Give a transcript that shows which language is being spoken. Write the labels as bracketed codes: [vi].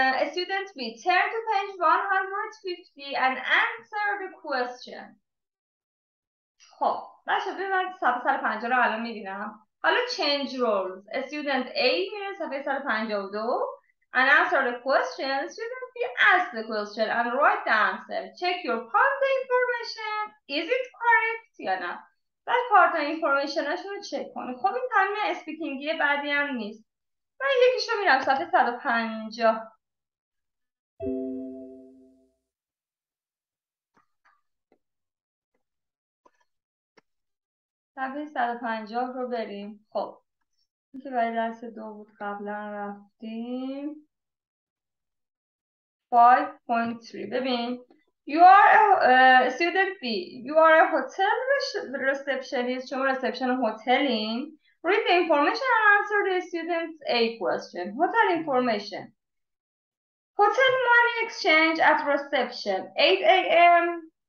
[en] Student B, turn to page 150 and answer the question. [fa] خب باشه ببینید صفحه 150 رو الان میبینم. حالا [en] change roles. Student A [fa] میره صفحه [en] 152 and answer the question. Student B ask the question and write the answer. Check your partner information. Is it correct [fa] یا نه؟ بعد [en] partner informationشون [fa] رو چک کنه. خب این تمرین اسپیکینگی بعدی هم نیست. من یکیش رو میرم صفحه 150. صفحه 150 رو بریم. خب این که برای درس دو بود قبلا رفتیم 5.3. ببین [en] you are a student B, you are a hotel receptionist. [fa] شما رسپشن هتلین. [en] Read the information and answer the student A question. Hotel information. Hotel money exchange at reception 8 a.m.